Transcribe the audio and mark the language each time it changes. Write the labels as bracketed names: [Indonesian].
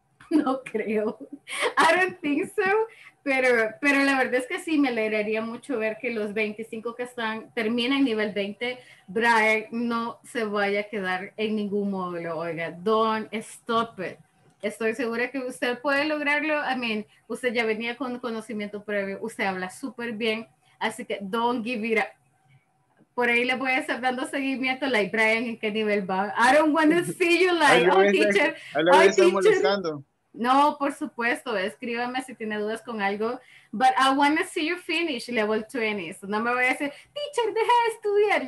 [Spanish] No creo. [English] I don't think so. [Spanish] Pero la verdad es que sí, me alegraría mucho ver que los 25 que están terminan nivel 20, Brian no se vaya a quedar en ningún módulo, oiga, [English] don't stop it, [Spanish] estoy segura que usted puede lograrlo, [English] I mean, [Spanish] usted ya venía con conocimiento previo, usted habla súper bien, así que [English] don't give it up, [Spanish] por ahí le voy a estar dando seguimiento, like, Brian, ¿en qué nivel va? [English] I don't want to see you, like, oh, teacher, oh, teacher. [Spanish] No, por supuesto, escríbame si tiene dudas con algo. [English] But I want to see you finish level 20. [Spanish] So no me voy a decir, teacher, deja de estudiar.